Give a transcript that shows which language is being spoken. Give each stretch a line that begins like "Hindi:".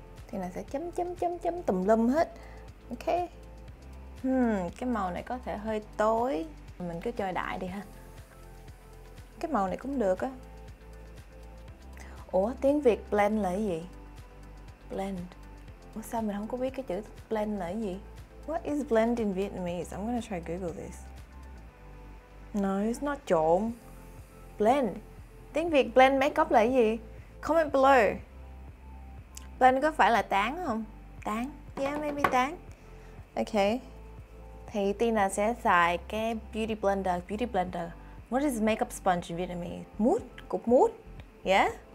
Vietnamese: Tina sẽ chấm tùm lum hết. Ok. Cái màu này có thể hơi tối. Mình cứ chơi đại đi ha. Cái màu này cũng được á. Ủa, tiếng Việt blend là cái gì? Blend. Ủa, sao mình không có biết cái chữ blend là cái gì?
English: What is blend in Vietnamese? I'm gonna try Google this. No, it's not trộn. Blend.
Vietnamese: Tiếng Việt blend makeup là cái gì?
English: Comment below.
Vietnamese: Blend có phải là tán không? Tán.
English: Yeah, maybe
Vietnamese: tán. Ok. Thì Tina sẽ xài cái beauty blender.
English: Beauty blender. What is makeup sponge in Vietnamese?
Vietnamese: Mút. Cục mút.
English: Yeah.